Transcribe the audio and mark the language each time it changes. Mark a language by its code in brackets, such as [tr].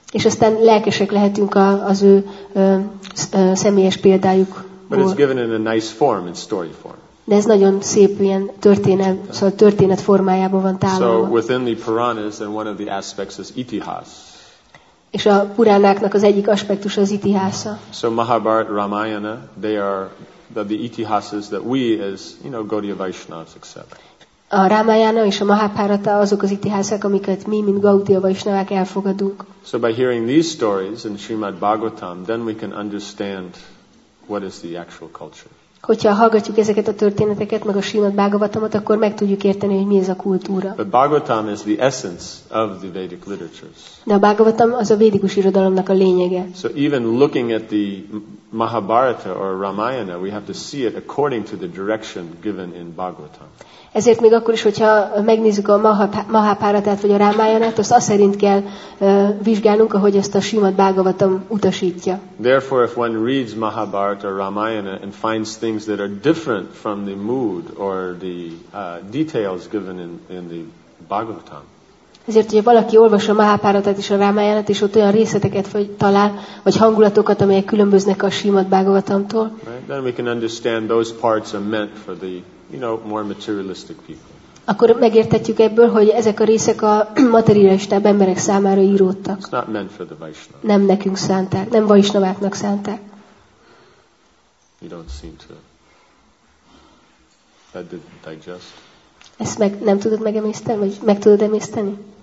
[hu] És aztán lelkesek lehetünk az ő személyes példájuk. [en] But it's given in a nice form, in story form. [hu] De ez nagyon szép ilyen történet, szóval történet formájában van tálalva. [en] So within the Puranas, and one of the aspects is itihas. [hu] És a Puránáknak az egyik aspektus az itihasa. [en] So Mahabharata, Ramayana, they are the itihases that we as, you know, Gaudiya Vaishnavas accept. [hu] A Ramayana és a Mahabharata azok az itihászak, amiket mi, mint Gaudiya Vaishnavák elfogadunk. [en] So by hearing these stories in Srimad Bhagavatam, then we can understand what is the actual culture. [hu] Hogyha hallgatjuk ezeket a történeteket, meg a Srimad Bhagavatamot, akkor meg tudjuk érteni, hogy mi ez a kultúra. [en] But Bhagavatam is the essence of the Vedic literatures. [hu] De a Bhagavatam az a védikus irodalomnak a lényege. [en] So even looking at the Mahabharata or Ramayana, we have to see it according to the direction given in Bhagavatam. [hu] Ezért még akkor is, hogyha megnézzük a Mahabharatát vagy a Rámájanát, azt szerint kell vizsgálnunk, ahogy ezt a Srimad Bhagavatam utasítja. [en] Therefore, if one reads Mahabharata or Ramayana and finds things that are different from the mood or the details given in the Bhagavatam. [hu] Ezért, hogyha valaki olvassa a Mahabharatát és a Rámájanát, és ott olyan részleteket talál, vagy hangulatokat, amelyek különböznek a Srimad Bhagavatamtól. [en] Right? Then we can understand those parts are meant for the, you know, more materialistic people. [hu] Akkor megértetjük ebből, hogy ezek a részek a materialistább emberek számára íródtak. [en] It's not meant for the Vaishnavas. [hu] Nem nekünk szánták, nem Vaishnaváknak szánták. [en] You don't seem to. That didn't digest. [hu] Ezt meg nem tudod megemészteni, vagy meg tudod emészteni?